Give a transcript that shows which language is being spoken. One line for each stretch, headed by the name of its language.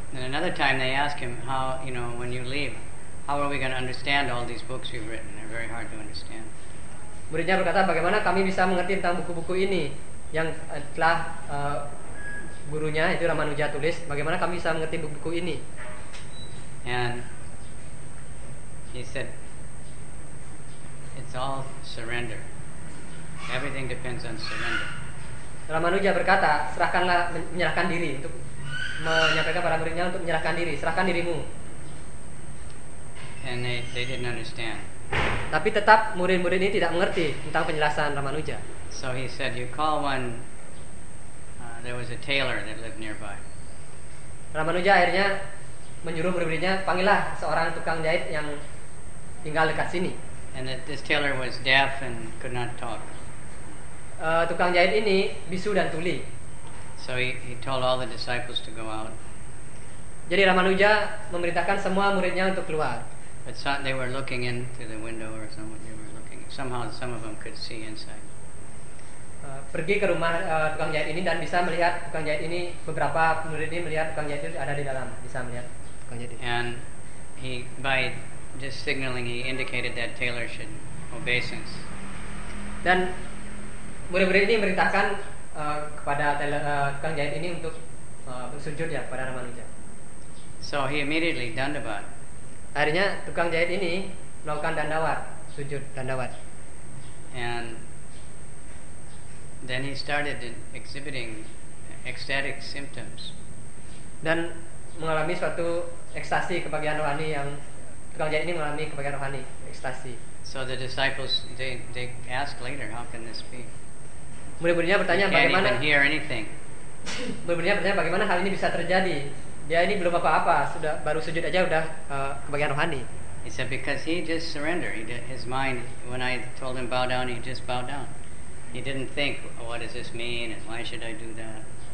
English: And another time they ask him, how, you know, when you leave, how are we going to understand all these books you've written? They're very hard to understand.
Indonesian: Muridnya berkata, bagaimana kami bisa mengerti tentang buku-buku ini yang telah gurunya itu Ramanuja tulis? Bagaimana kami bisa mengerti buku-buku ini?
English: And he said, it's all surrender. Everything depends on surrender.
Indonesian: Ramanuja berkata, serahkanlah, menyerahkan diri untuk menyampaikan pada muridnya untuk menyerahkan diri, serahkan dirimu.
English: And they didn't understand.
Indonesian: Tapi tetap murid-murid ini tidak mengerti tentang penjelasan Ramanuja.
English: So he said, you call one. There was a tailor that lived nearby.
Indonesian: Ramanuja akhirnya menyuruh murid-muridnya, panggillah seorang tukang jahit yang tinggal dekat sini.
English: And that this tailor was deaf and could not talk.
Indonesian: Tukang jahit ini bisu dan tuli.
English: So he told all the disciples to go out.
Indonesian: Jadi Ramanuja memerintahkan semua muridnya untuk keluar.
English: But they were looking in through the window or something. They were looking. Somehow some of them could see inside.
Indonesian: Pergi ke rumah tukang jahit ini dan bisa melihat tukang jahit ini. Beberapa murid ini melihat tukang jahit ada di dalam, bisa melihat tukang jahit.
English: And he by just signaling, he indicated that tailor should obeisance.
Indonesian: Dan murid-murid ini memerintahkan kepada tukang jahit ini untuk bersujud ya pada Ramanuja.
English: So he immediately dandavat.
Indonesian: Akhirnya tukang jahit ini melakukan dandavat, sujud dandavat.
English: And then he started exhibiting ecstatic symptoms.
Indonesian: Dan mengalami suatu ekstasi kebahagiaan rohani yang tukang jahit ini mengalami kebahagiaan rohani, ekstasi.
English: So the disciples they ask later, how can this be?
Indonesian: Murid-muridnya bertanya bagaimana?
English: Can't even hear anything.
Indonesian: Murid-muridnya bertanya bagaimana hal ini bisa terjadi? Dia ini belum apa-apa, sudah baru sujud aja sudah kebahagiaan rohani.
English: He said because he just surrender, his mind. When I told him bow down, he just bowed down. He didn't think, oh, what does this mean and why should I do that?